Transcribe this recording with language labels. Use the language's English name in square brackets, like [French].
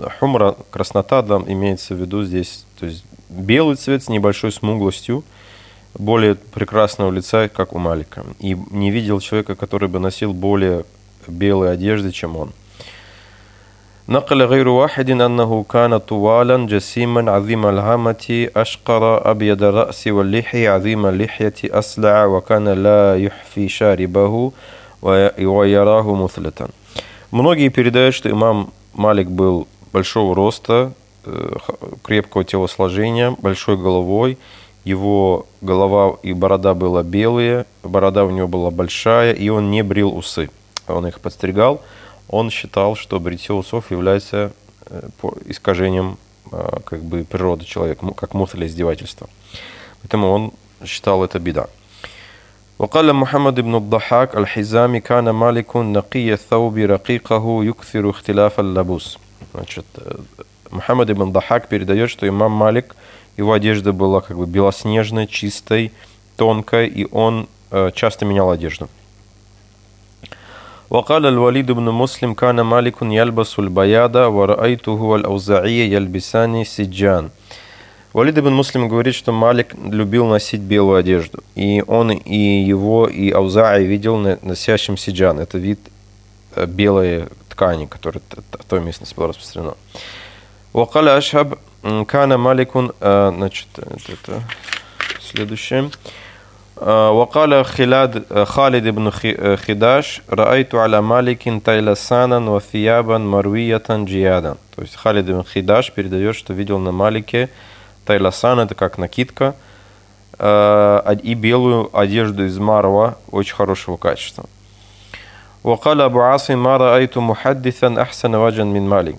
[Russian] Хумра, краснота, там имеется в виду здесь, то есть белый цвет с небольшой смуглостью, более прекрасного лица, как у Малика. И не видел человека, который бы носил более белой одежды, чем он. [Arabic] نقل غير واحد أنه كان طوالا جسيما عظيم الهامة أشقر أبيض الرأس واللحية عظيم اللحية أسلع وكان لا يحفي شاربه ويراه مثلة. [Russian] Многие передают, что имам Малик был большого роста, крепкого телосложения, большой головой. Его голова и борода была белые, борода у него была большая, и он не брил усы. Он их подстригал, он считал, что бритье усов является искажением как бы природы человека, как мусор издевательства. Поэтому он считал это беда. [Arabic] وقال محمد بن الضحاك الحزامي كان مالك نقي الثوب رقيقه يكثر اختلاف اللبوس. [Russian] Значит, Мухаммад ибн Дахак передает, что имам Малик, его одежда была как бы белоснежной, чистой, тонкой, и он часто менял одежду. [Arabic] وقال الوليد بن مسلم كان مالك يلبس البياض ورأيته والأوزاعي يلبسان سجان. [Russian] Валид ибн Муслим говорит, что Малик любил носить белую одежду, и он и его, и Аузаи видел носящим сиджан. Это вид белой ткани, которая в той местности была распространена. [Arabic] وقال أشهب كان مالك, [Russian] значит, это следующее. [Arabic] وقال خلاد خالد بن خداش رأيت على مالك تيلسانا وثيابا مروية جيادا. [Russian] То есть Халид ибн Хидаш передает, что видел на Малике тайласан, это как накидка, и белую одежду из марва очень хорошего качества. [Arabic] وقال أبو عاصم ما رأيت محدثا أحسن وجها من مالك.